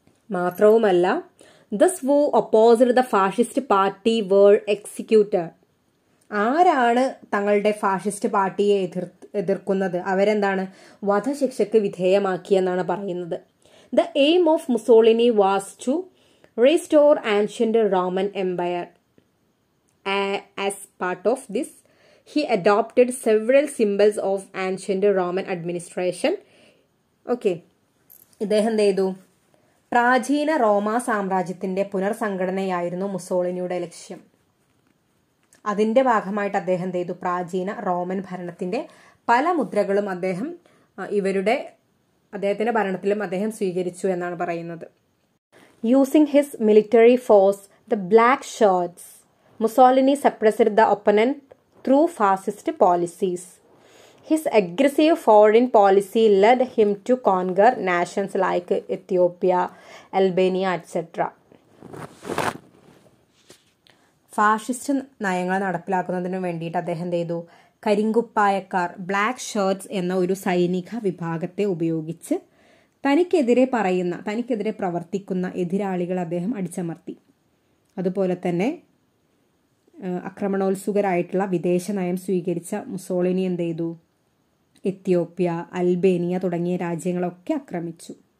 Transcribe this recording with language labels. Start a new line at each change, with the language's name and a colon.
English: മാത്രവുമല്ല, those who opposite the fascist party were executed.
Malayalam: ആരാണ് തങ്ങളുടെ ഫാഷിസ്റ്റ് പാർട്ടിയെ എതിർക്കുന്നത് അവരെന്താണ് വധശിക്ഷയ്ക്ക് വിധേയമാക്കിയെന്നാണ് പറയുന്നത്.
English: The aim of Mussolini was to restore ancient Roman empire. As part of this, he adopted several symbols of ancient Roman administration. Okay.
Malayalam: ഇദ്ദേഹം ചെയ്തു പ്രാചീന റോമ സാമ്രാജ്യത്തിന്റെ പുനർസംഘടനയായിരുന്നു മുസോളിനിയുടെ ലക്ഷ്യം. അതിന്റെ ഭാഗമായിട്ട് അദ്ദേഹം ചെയ്തു പ്രാചീന റോമൻ ഭരണത്തിന്റെ പല മുദ്രകളും അദ്ദേഹം ഇവരുടെ അദ്ദേഹത്തിന്റെ ഭരണത്തിലും അദ്ദേഹം സ്വീകരിച്ചു എന്നാണ് പറയുന്നത്.
English: Using his military force the black shirts Mussolini suppressed the opponent through fascist policies. His aggressive foreign policy led him to conquer nations like Ethiopia, Albania, etc.
Malayalam: Fascist നയങ്ങൾ നടപ്പിലാക്കുന്നതിന് വേണ്ടിയിട്ട് അദ്ദേഹം ചെയ്തു കരിങ്കുപ്പായക്കാർ ബ്ലാക്ക് ഷർട്ട്സ് എന്ന ഒരു സൈനിക വിഭാഗത്തെ ഉപയോഗിച്ച് തനിക്കെതിരെ പ്രവർത്തിക്കുന്ന എതിരാളികൾ അദ്ദേഹം അടിച്ചമർത്തി. അതുപോലെ തന്നെ അക്രമണോത്സുകരായിട്ടുള്ള വിദേശ നയം സ്വീകരിച്ച മുസോളിനി എന്ത് ചെയ്തു എത്യോപ്യ അൽബേനിയ തുടങ്ങിയ രാജ്യങ്ങളൊക്കെ ആക്രമിച്ചു.